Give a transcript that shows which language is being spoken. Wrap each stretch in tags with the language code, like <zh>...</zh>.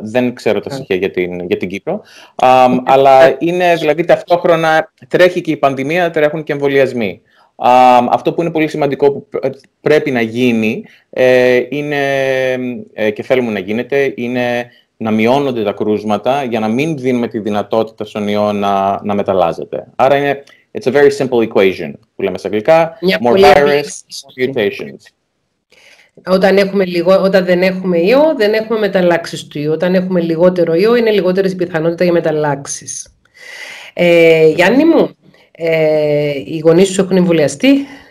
<el>Δεν ξέρω τα στοιχεία για, για την Κύπρο. αλλά είναι δηλαδή ταυτόχρονα τρέχει και η πανδημία, τρέχουν και εμβολιασμοί. Αυτό που είναι πολύ σημαντικό που πρέπει να γίνει είναι, και θέλουμε να γίνεται, είναι να μειώνονται τα κρούσματα για να μην δίνουμε τη δυνατότητα στον ιό να, να μεταλλάζεται. Άρα είναι...</el> <en>It's a very simple equation,</en> <el>που λέμε στα αγγλικά. Μια</el> <en>more virus, more mutations.</en> <el>Όταν, έχουμε λίγο, όταν δεν έχουμε ιό, δεν έχουμε μεταλλάξεις του ιού. Όταν έχουμε λιγότερο ιό, είναι λιγότερες πιθανότητες για μεταλλάξεις. Γιάννη μου, οι γονείς σου έχουν εμβολιαστεί.</el>